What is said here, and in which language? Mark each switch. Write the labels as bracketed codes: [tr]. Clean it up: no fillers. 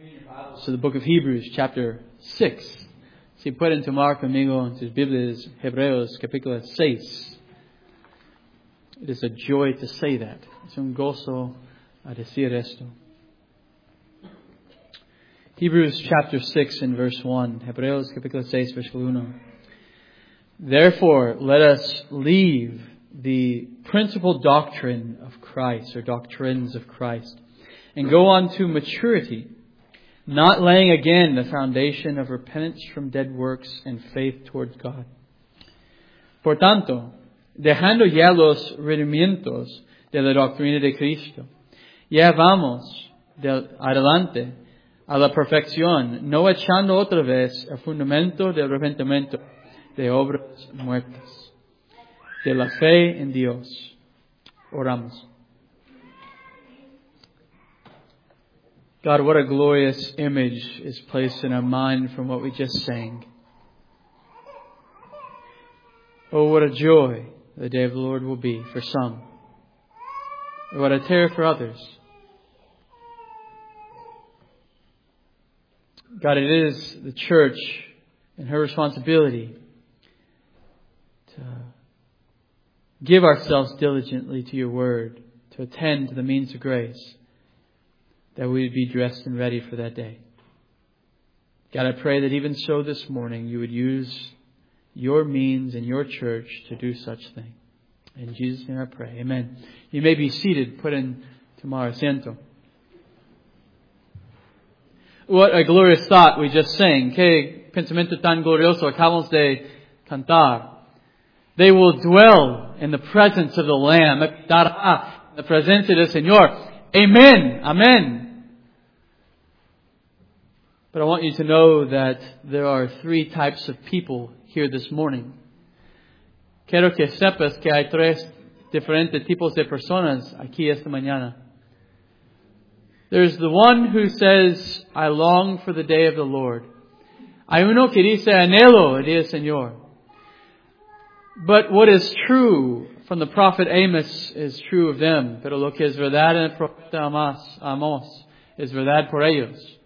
[en] Bibles to the book of Hebrews, chapter 6. [es] Si pueden tomar conmigo en sus Biblias, Hebreos, capítulo 6. [en] It is a joy to say that. [es] Es un gozo a decir esto. [en] Hebrews chapter 6 and verse 1. [es] Hebreos capítulo 6, versículo 1. [en] Therefore, let us leave the principal doctrine of Christ, or doctrines of Christ, and go on to maturity, not laying again the foundation of repentance from dead works and faith towards God. [es] Por tanto, dejando ya los rudimentos de la doctrina de Cristo, llevamos adelante a la perfección, no echando otra vez el fundamento del arrepentimiento de obras muertas, de la fe en Dios. Oramos. [en] God, what a glorious image is placed in our mind from what we just sang. Oh, what a joy the day of the Lord will be for some. What a terror for others. God, it is the church and her responsibility to give ourselves diligently to your word, to attend to the means of grace, that we would be dressed and ready for that day. God, I pray that even so this morning, you would use your means and your church to do such thing. In Jesus' name I pray. Amen. You may be seated, put in tomorrow's asiento. What a glorious thought we just sang. [es] Que pensamiento tan glorioso acabamos de cantar. [en] They will dwell in the presence of the Lamb. [es] Estará en la presencia del Señor. [en] Amen. Amen. But I want you to know that there are three types of people here this morning. [es] Quiero que sepas que hay tres diferentes tipos de personas aquí esta mañana. [en] There's the one who says, I long for the day of the Lord. [es] Hay uno que dice, anhelo el día, Señor. [en] But what is true from the prophet Amos is true of them. [es] Pero lo que es verdad en el profeta Amos es verdad por ellos.